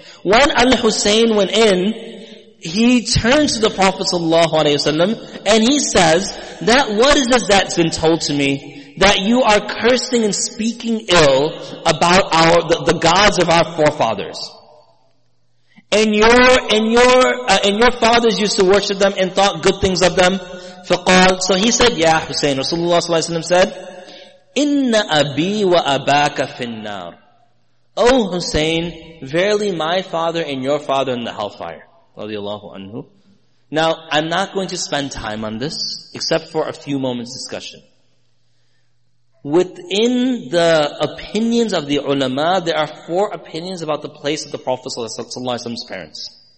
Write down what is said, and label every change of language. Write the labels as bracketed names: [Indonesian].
[English] When Al-Hussein went in, he turned to the Prophet ﷺ, and he says, that what is this that's been told to me? That you are cursing and speaking ill about the gods of our forefathers. And your fathers used to worship them and thought good things of them. [Arabic] فقال, [English] so he said, yeah, Hussein, Rasulullah [Arabic] صلى الله عليه وسلم [English] said, [Arabic] إِنَّ أَبِي وَأَبَاكَ فِي النَّارِ. [English] Oh Hussein, verily my father and your father in the hellfire. رَضِيَ anhu. Now, I'm not going to spend time on this, except for a few moments discussion. Within the opinions of the ulama, there are four opinions about the place of the Prophet ﷺ's parents.